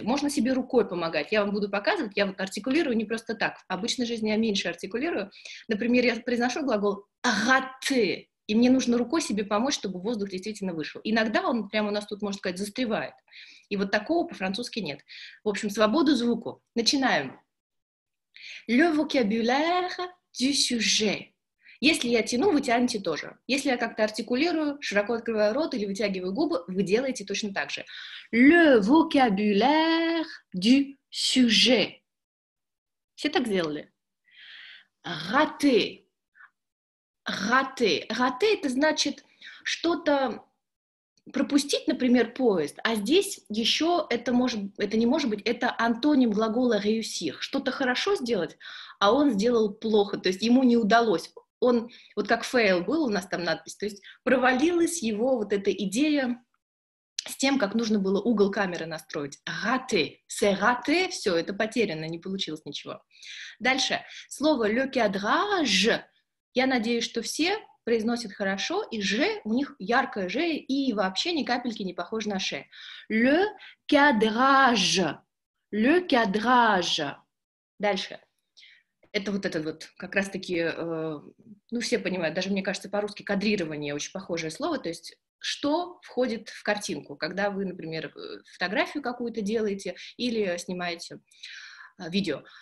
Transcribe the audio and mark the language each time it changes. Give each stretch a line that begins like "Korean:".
Russian: Можно себе рукой помогать. Я вам буду показывать, я вот артикулирую не просто так. В обычной жизни я меньше артикулирую. Например, я произношу глагол «агаты», и мне нужно рукой себе помочь, чтобы воздух действительно вышел. Иногда он прямо у нас тут, можно сказать, застревает. И вот такого по-французски нет. В общем, свободу звуку. Начинаем.
French: Le vocabulaire du sujet.
Russian: Если я тяну, вы тянете тоже. Если я как-то артикулирую, широко открываю рот или вытягиваю губы, вы делаете точно так же.
French: Le vocabulaire du sujet.
Russian: Все так сделали?
French: Raté. Raté.
Russian: Raté – это значит что-то пропустить, например, поезд, а здесь еще это антоним глагола réussir. Что-то хорошо сделать, а он сделал плохо, то есть ему не удалось. Он, вот как fail был у нас там надпись, то есть провалилась его вот эта идея с тем, как нужно было угол камеры настроить.
French: Raté. C'est raté.
Russian: Все, это потеряно, не получилось ничего. Дальше. Слово le cadrage. Я надеюсь, что все произносят хорошо, и «же» у них яркое «же», и вообще ни капельки не похоже на «ше».
French: «Le cadrage». «Le cadrage».
Russian: Дальше. Это вот этот вот, как раз-таки, ну, все понимают, даже, мне кажется, по-русски «кадрирование» очень похожее слово, то есть что входит в картинку, когда вы, например, фотографию какую-то делаете или снимаете видео.